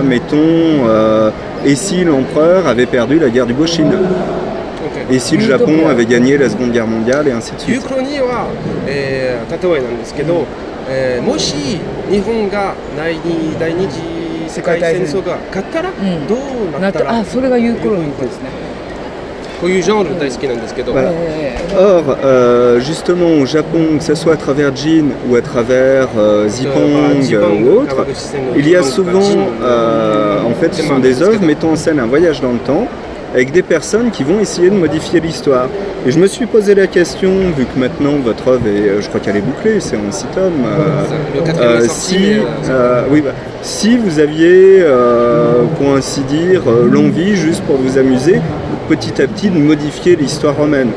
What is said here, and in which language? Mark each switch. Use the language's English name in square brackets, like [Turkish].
[French] Mettons, et si l'empereur avait perdu la guerre du Boshin, okay. Et si le Japon avait gagné la Seconde Guerre mondiale, et ainsi de suite. [Japanese] Uchronie, wa, tatoe nan desu kedo, moshi Nihon ga nai ni dai ni ji 世界大戦争が勝ったら、うん、どうなったら、あ、それがユーコロニーですね。こういうジャンル大好きなんですけど。 [French] Voilà. Or, justement, au Japon, que ce soit à travers Jin ou à travers Zipang ou autre, il y a souvent, en fait, ce sont des œuvres mettant en scène un voyage dans le temps avec des personnes qui vont essayer de modifier l'histoire. Et je me suis posé la question, vu que maintenant votre œuvre est, je crois qu'elle est bouclée, c'est en 6 tomes, si vous aviez, pour ainsi dire, l'envie, juste pour vous amuser, petit à petit, de modifier l'histoire romaine.